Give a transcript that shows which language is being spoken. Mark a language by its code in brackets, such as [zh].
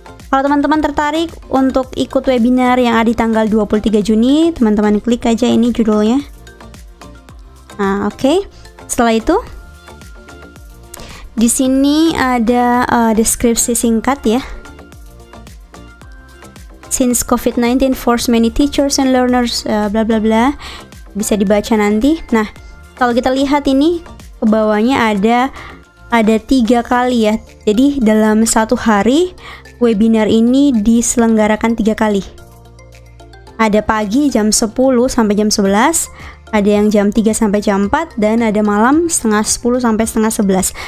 [id] Kalau teman-teman tertarik untuk ikut webinar yang ada di tanggal 23 Juni, teman-teman klik aja ini judulnya. Nah, oke. Setelah itu di sini ada deskripsi singkat ya. [en] Since COVID-19 forced many teachers and learners bla bla bla. [id] Bisa dibaca nanti. Nah, kalau kita lihat ini ke bawahnya ada 3 kali ya. Jadi dalam 1 hari webinar ini diselenggarakan 3 kali. Ada pagi jam 10 sampai jam 11, ada yang jam 3 sampai jam 4, dan ada malam setengah 10 sampai setengah 11.